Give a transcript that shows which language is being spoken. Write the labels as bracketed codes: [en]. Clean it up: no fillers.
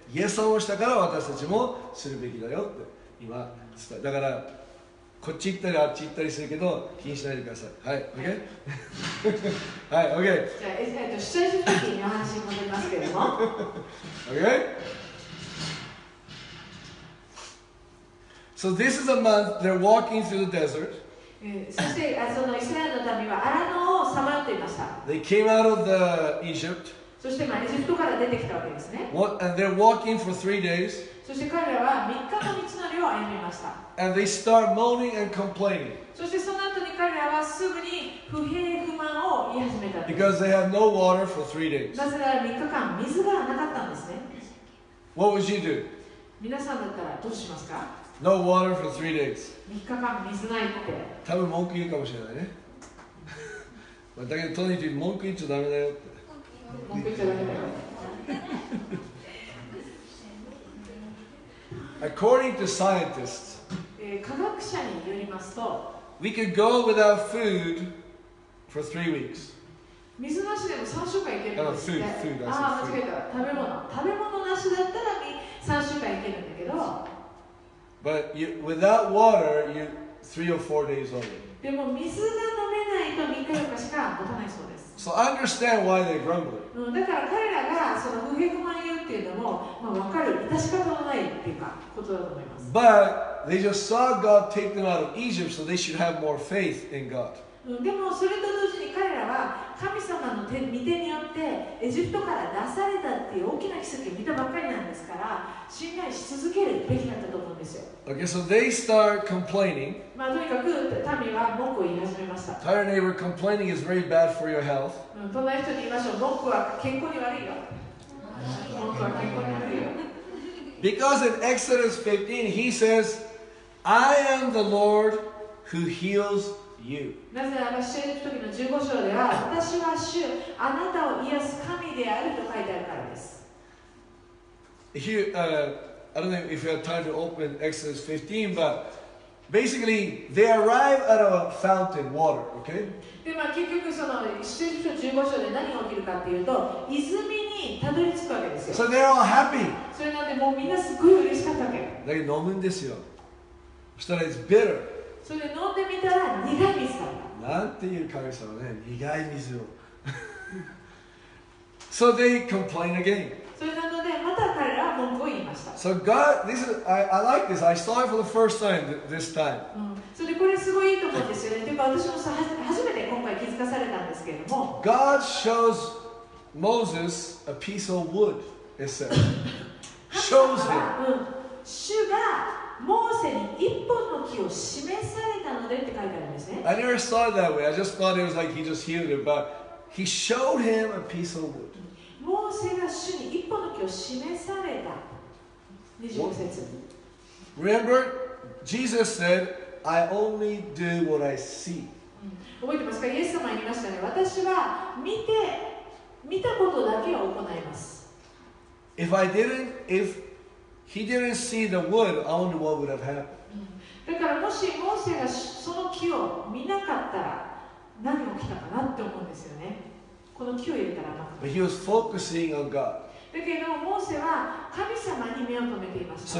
[ja] イエス様をしたから私たちもするべきだよって今伝え、だからこっち行ったりあっち行ったりするけど気にしないでください。はい、OK? はい、OK? じゃあ、視聴者的にお話に戻りますけれども [en] OK? So this is a month they're walking through the desert. [ja] そしてそのイスラエルの民はアラノをさまっていました。 [en] They came out of the Egypt. [ja] そして、まあ、エジプトから出てきたわけですね。 [en] What, and they're walking for three days. [ja] そして彼らは3日の道のりを歩みました。 [en] And they start moaning and complaining. [ja] そしてその後に彼らはすぐに不平不満を言い始めた。 [en] Because they had no water for three days. [ja] なぜなら3日間水がなかったんですね。 [en] What would you do? [ja] 皆さんだったらどうしますか? [en] No water for three days. [ja] 3日間水ないって。多分文句言うかもしれないね。まあだけどとにかく文句言っちゃダメだよって。文句言っちゃダメだよ。 [en] According to scientists, [ja] 科学者によりますと、 [en] we could go without food for three weeks. [ja] 水なしでも3週間いけるんですね。 [en] Food, food, [ja] ああ、間違えた。食べ物なしだったら3週間いけるんだけど。 [en] But you, without water, you three or four days only. [ja] でも水が飲めないと3日とかしか持たないそうです。 [en] So I understand why they grumble. [ja] だから彼らがその不平不満言うっていうのも、まあ、分かる、致し方のないっていうかことだと思います。 [en] But they just saw God take them out of Egypt, so they should have more faith in God. [ja] でもそれと同時に彼らは神様の御手によってエジプトから出されたっていう大きな奇跡を見たばっかりなんですから信頼し続けるべきだったと思うんですよ。 [en] Okay, so they start complaining. [ja] まあとにかく民は文句を言い始めました。 [en] Tired neighbor complaining is very bad for your health. [ja] 隣人に言いましょう。文句は健康に悪いよ。文句は健康に悪いよ。 [en] Because in Exodus 15 he says, I am the Lord who healsYou. [ja] なぜなら出エジプト記の15章では私は主あなたを癒す神であると書いてあるからです。 [en] Here, I don't know if you have time to open Exodus 15, but basically they arrive at a fountain water, okay? [ja] で、まあ、結局その出エジプト記の15章で何が起きるかというと泉にたどり着くわけですよ。 [en] So they're all happy. [ja] それなんでもうみんなすごい嬉しかったわけ。だけど飲むんですよ。そしたら [en] it's bitter. [ja] それ飲んでみたら苦い水だ。なんていう神様ね、苦い水を。 [en] So they complain again. [ja] それなのでまた彼らは文句を言いました。 [en] So God, this is, I like this. I saw it for the first time this time.、 [ja] うん、それこれすごいいいと思うんですよね。でも私も初めて今回気づかされたんですけれども。 [en] God shows Moses a piece of wood, it says. shows him. [ja] 主がモーセに一本の木を示されたのでって書いてあるんですね。 [en] I never saw it that way. I just thought it was like he just healed him, but he showed him a piece of wood. [ja] モーセが主に一本の木を示された。 20節。 [en] Remember, Jesus said, I only do what I see. [ja] 覚えてますか？イエス様言いましたね。私は見たことだけを行います。 [en] If He didn't see the wood, I wonder what would have happened. [ja] だからもしモーセがその木を見なかったら何が起きたかなって思うんですよね。この木を入れたらな。 [en] But he was focusing on God. [ja] だけどモーセは神様に目を留めていました。